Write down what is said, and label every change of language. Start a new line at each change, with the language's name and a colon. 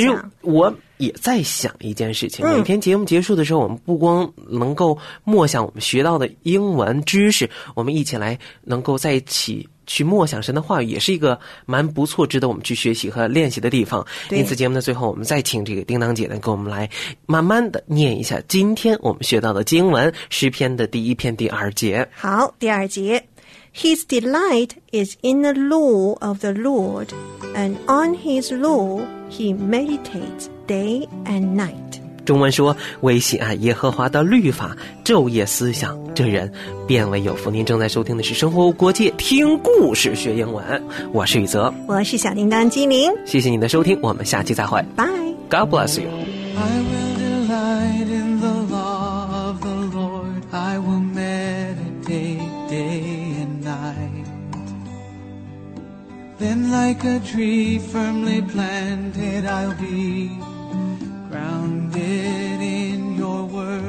Chinese: 其实我也在想一件事情，每天节目结束的时候，我们不光能够默想我们学到的英文知识，我们一起来能够在一起去默想神的话语，也是一个蛮不错值得我们去学习和练习的地方。因此节目的最后，我们再请这个叮当姐呢跟我们来慢慢的念一下今天我们学到的经文，诗篇的第一篇第二节。好，第二节。
English: His delight is in the law of the Lord, and on his law he meditates day and night.
Chinese: 中文说，唯喜爱耶和华的律法，昼夜思想，这人变为有福。您正在收听的是生活无国界，听故事学英文。我是雨泽，我是小叮当精灵。谢谢你的收听，我们下期再会。
English: Bye. God bless you. I will delight in the law of the Lord. I will meditate day and night. Then like a tree firmly planted I'll be, grounded in your word.